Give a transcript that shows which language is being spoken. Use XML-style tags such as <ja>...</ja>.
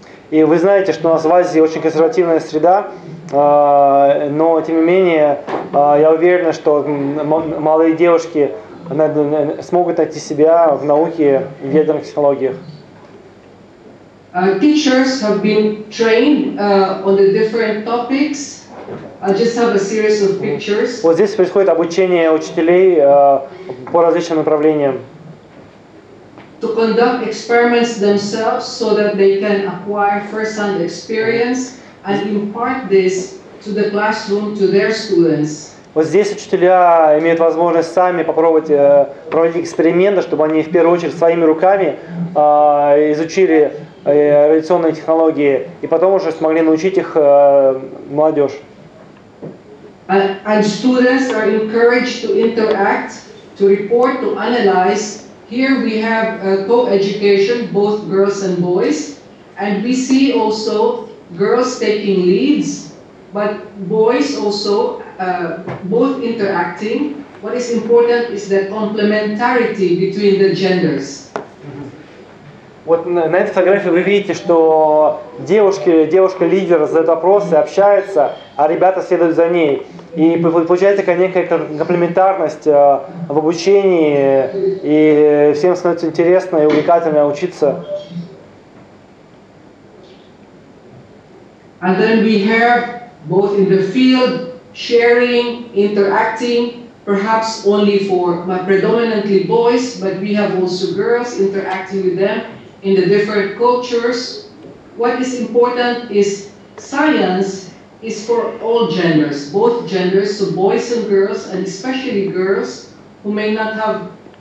<ru>И вы знаете, что у нас в Азии очень консервативная среда, но тем не менее я уверен, что молодые девушки смогут найти себя в науке и ядерных технологиях.</ru> <en>Teachers have been trained on the different topics. I just have a series of pictures.</en> <ru>Вот здесь происходит обучение учителей по различным направлениям.</ru> <en>To conduct experiments themselves so that they can acquire first-hand experience and impart this to the classroom, to their students.</en> <ru>Вот здесь учителя имеют возможность сами попробовать проводить эксперименты, чтобы они в первую очередь своими руками изучили радиационные технологии, и потом уже смогли научить их молодежь.</ru> <en>And students are encouraged to interact, to report, to analyze. Here we have co-education, both girls and boys, and we see also girls taking leads, but boys also both interacting. What is important is the complementarity between the genders.</en> <ru>Вот на этой фотографии вы видите, что девушка-лидер задает вопросы, общается, а ребята следуют за ней. И получается такая некая комплементарность в обучении, и всем становится интересно и увлекательно учиться.</ru> <en>And then we have both in the field, sharing, interacting, perhaps only for but predominantly boys, but we have also girls interacting with them. In the different cultures, what is important is science is for all genders, both genders, so boys and girls, and especially girls who may not have</en>